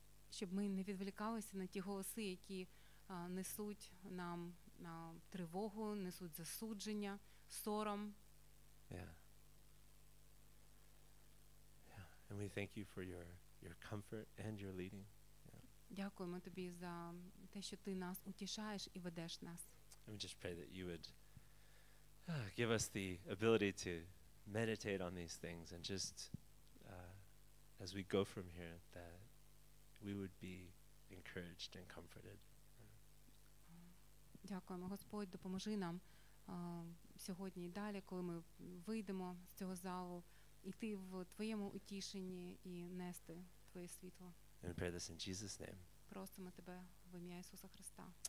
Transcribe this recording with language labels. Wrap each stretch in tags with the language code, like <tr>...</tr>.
<uk>Щоб ми не відволікалися на ті голоси, які несуть нам на тривогу, несуть засудження, сором.</uk> <en>Yeah. And we thank you for your comfort and your leading. Yeah.</en> <uk>Дякуємо тобі за те, що ти нас утішаєш і ведеш нас.</uk> <en>Let me just pray that you would give us the ability to meditate on these things and just as we go from here that we would be encouraged and comforted.</en> <uk>Дякуємо, Господь, допоможи нам сьогодні і далі, коли ми вийдемо з цього залу, іти в твоєму утішенні і нести твоє світло.</uk> <en>And pray this in Jesus' name.</en> <uk>Просимо тебе в ім'я Ісуса Христа.</uk>